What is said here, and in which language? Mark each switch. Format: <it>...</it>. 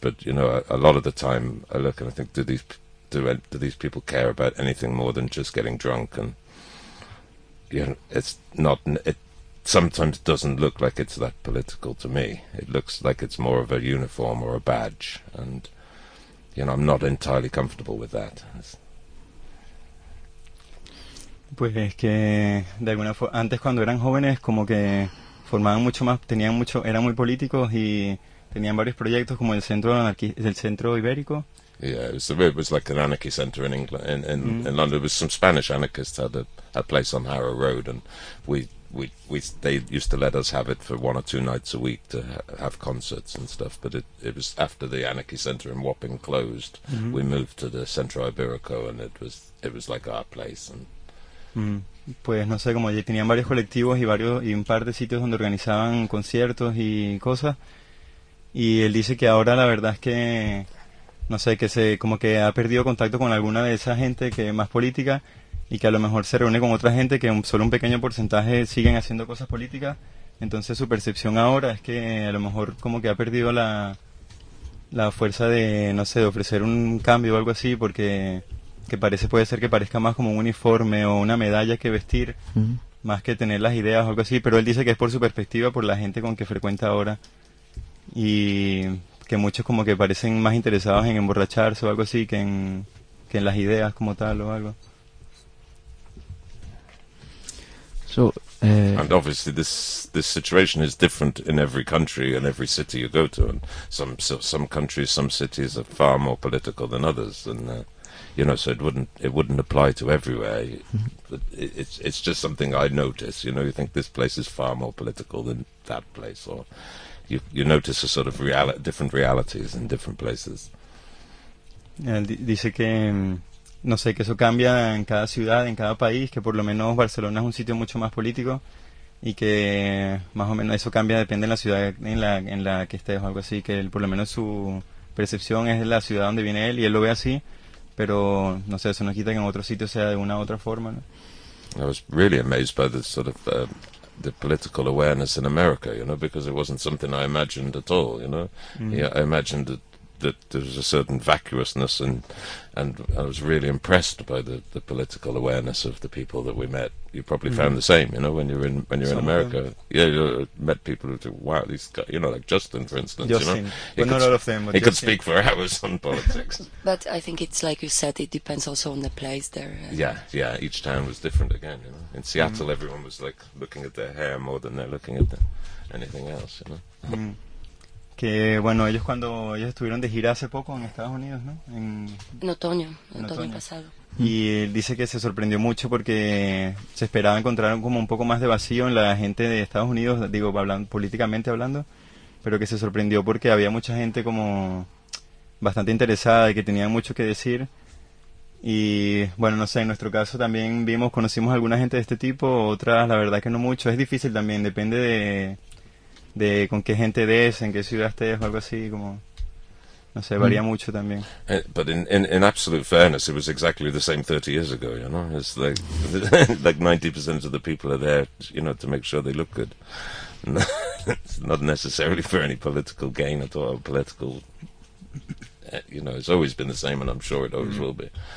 <en>But, you know, a lot of the time I look and I think, do these people care about anything more than just getting drunk? And, you know, it's not, it sometimes doesn't look like it's that political to me. It looks like it's more of a uniform or a badge, and, you know, I'm not entirely comfortable with that.</en> <es>Pues que de alguna forma antes, cuando eran jóvenes, como que formaban mucho más, tenían mucho, eran muy políticos y tenían varios proyectos como el Centro Ibérico.</es> <en>Yeah, it was like an anarchy center in England, in London. It was some Spanish anarchists had a place on Harrow Road, and they used to let us have it for one or two nights a week to have concerts and stuff. But it was after the anarchy center in Wapping closed, mm-hmm. we moved to the Centro Ibérico, and it was like our place. And</en> <es>Pues no sé, como ya tenían varios colectivos y un par de sitios donde organizaban conciertos y cosas. Y él dice que ahora la verdad es que no sé, que se como que ha perdido contacto con alguna de esa gente que es más política y que a lo mejor se reúne con otra gente que solo un pequeño porcentaje siguen haciendo cosas políticas. Entonces su percepción ahora es que a lo mejor como que ha perdido la fuerza de, no sé, de ofrecer un cambio o algo así, porque que parece, puede ser que parezca más como un uniforme o una medalla que vestir, más que tener las ideas o algo así, pero él dice que es por su perspectiva, por la gente con que frecuenta ahora, y que muchos como que parecen más interesados en emborracharse o algo así que en las ideas como tal o algo.</es> <en>And obviously this situation is different in every country and every city you go to, and some countries, some cities are far more political than others, and you know, so it wouldn't apply to everywhere. But it's just something I notice, you know. You think this place is far more political than that place, or you notice a sort of different realities in different places.</en> <es>Dice que no sé, que eso cambia en cada ciudad, en cada país, que por lo menos Barcelona es un sitio mucho más político, y que más o menos eso cambia, depende de la ciudad en la que estés o algo así, que él, por lo menos su percepción es de la ciudad donde viene él, y él lo ve así, pero no sé, eso no quita que en otro sitio sea de una u otra forma, ¿no?</es> <en>I was really amazed by the sort of the political awareness in America, you know, because it wasn't something I imagined at all, you know. Yeah, I imagined that there was a certain vacuousness, and I was really impressed by the political awareness of the people that we met. You probably found the same, you know, when you're in America. Yeah, you met people who said, wow, these guys, you know, like Justin, for instance. Justin, you know, but not all of them. He could speak for hours on politics. But I think it's like you said, it depends also on the place there. Yeah, each town was different again, you know. In Seattle, everyone was like looking at their hair more than they're looking at anything else, you know.</en> <es>Que bueno, ellos estuvieron de gira hace poco en Estados Unidos, ¿no? En otoño pasado. Y él dice que se sorprendió mucho porque se esperaba encontrar como un poco más de vacío en la gente de Estados Unidos, digo, políticamente hablando, pero que se sorprendió porque había mucha gente como bastante interesada y que tenía mucho que decir. Y bueno, no sé, en nuestro caso también conocimos a alguna gente de este tipo, otras la verdad que no mucho. Es difícil también, depende de con qué gente des, en qué ciudad estés o algo así, como no sé, varía mucho también.</es> <en>But in absolute fairness, it was exactly the same 30 years ago, you know. It's like 90% of the people are there, you know, to make sure they look good. It's not necessarily for any political gain at all, political, you know. It's always been the same, and I'm sure it always will be.</en>